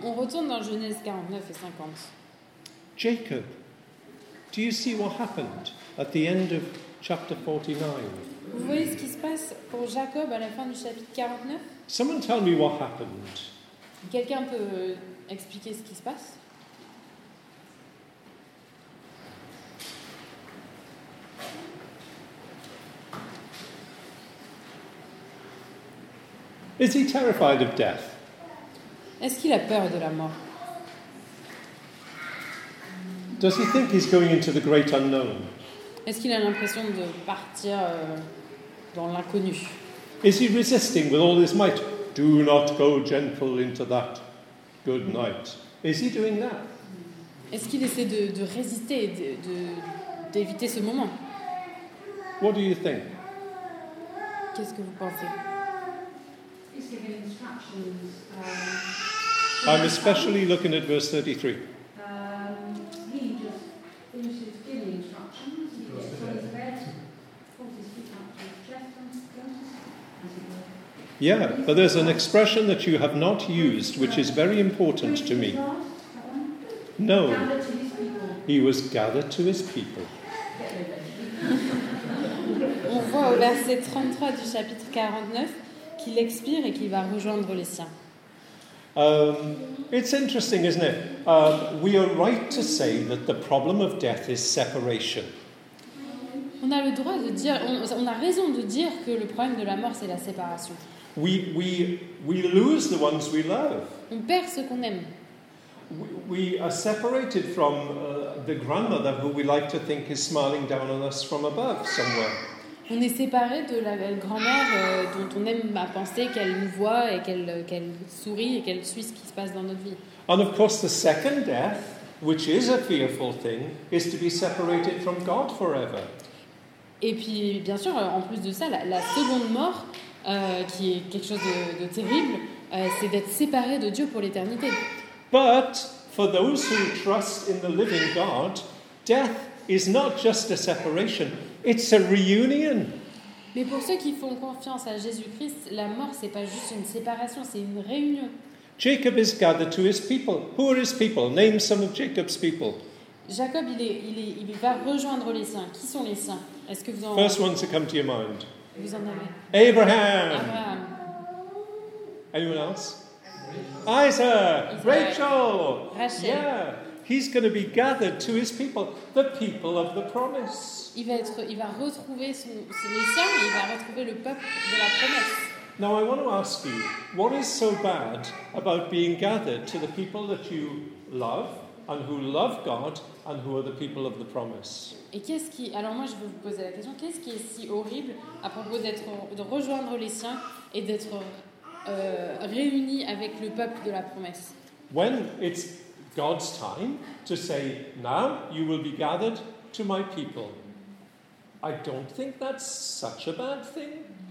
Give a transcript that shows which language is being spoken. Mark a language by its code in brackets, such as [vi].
[fr] On retourne dans Genèse 49 et 50. [en] Jacob, do you see what happened at the end of chapter 49? [fr] Vous voyez ce qui se passe pour Jacob à la fin du chapitre 49? [en] Someone tell me what happened. [fr] Quelqu'un peut expliquer ce qui se passe? [en] Is he terrified of death? [fr] Est-ce qu'il a peur de la mort? [en] Does he think he's going into the great unknown? [fr] Est-ce qu'il a l'impression de partir dans l'inconnu? [en] Is he resisting with all his might? Do not go gentle into that good night. Is he doing that? [fr] Est-ce qu'il essaie de résister, d'éviter ce moment? [en] What do you think? [fr] Qu'est-ce que vous pensez? [en] I'm especially looking at verse 33. He just finishes giving instructions. Yeah, but there's an expression that you have not used, which is very important to me. No, he was gathered to his people. [fr] On voit au verset 33 du chapitre 49. Qu'il expire et qu'il va rejoindre les siens. [en] It's interesting, isn't it? We are right to say that the problem of death is separation. [fr] On a le droit de dire, on a raison de dire que le problème de la mort c'est la séparation. [en] We lose the ones we love. [fr] On perd ce qu'on aime. [en] We are separated from the grandmother who we like to think is smiling down on us from above somewhere. [fr] On est séparé de la grand-mère dont on aime à penser qu'elle nous voit et qu'elle sourit et qu'elle suit ce qui se passe dans notre vie. [en] And of course the second death, which is a fearful thing, is to be separated from God forever. [fr] Et puis bien sûr, en plus de ça, la seconde mort, qui est quelque chose de terrible, c'est d'être séparé de Dieu pour l'éternité. [en] But for those who trust in the living God, death is not just a separation. It's a reunion. [fr] Mais pour ceux qui font confiance à Jésus-Christ, la mort c'est pas juste une séparation, c'est une réunion. [en] Jacob is gathered to his people. Who are his people? Name some of Jacob's people. [fr] Jacob il va rejoindre les saints. Qui sont les saints? Est-ce que vous en [en] First one to come to your mind. [fr] Vous en avez. [en] Abraham. Anyone else? Isaac. Rachel. Rachel. Yeah. He's going to be gathered to his people, the people of the promise. [fr] Il va retrouver les siens, il va retrouver le peuple de la promesse. [en] Now I want to ask you, what is so bad about being gathered to the people that you love and who love God and who are the people of the promise? [fr] Et qu'est-ce qui, alors moi je veux vous poser la question, qu'est-ce qui est si horrible à propos de rejoindre les siens et d'être réunis avec le peuple de la promesse? [en] When it's God's time to say, now you will be gathered to my people, I don't think that's such a bad thing.